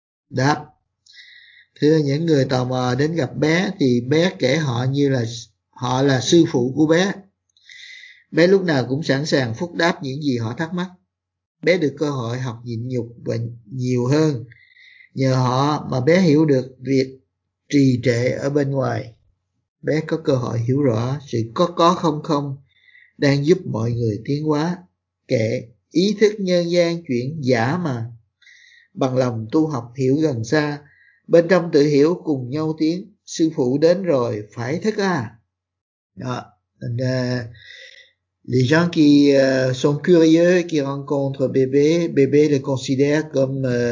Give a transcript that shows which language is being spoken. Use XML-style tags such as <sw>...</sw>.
<vi>Đáp. Thưa những người tò mò đến gặp bé, thì bé kể họ như là họ là sư phụ của bé. Bé lúc nào cũng sẵn sàng phúc đáp những gì họ thắc mắc. Bé được cơ hội học nhịn nhục và nhiều hơn. Nhờ họ mà bé hiểu được việc trì trệ ở bên ngoài. Bé có cơ hội hiểu rõ sự có không không đang giúp mọi người tiến hóa, kể ý thức nhân gian chuyển giả mà. Bằng lòng tu học hiểu gần xa, bên trong tự hiểu cùng nhau tiến, sư phụ đến rồi phải thức à. Đó.</vi> <fr>And, les gens qui sont curieux, qui rencontrent bébé, bébé le considère comme...</fr>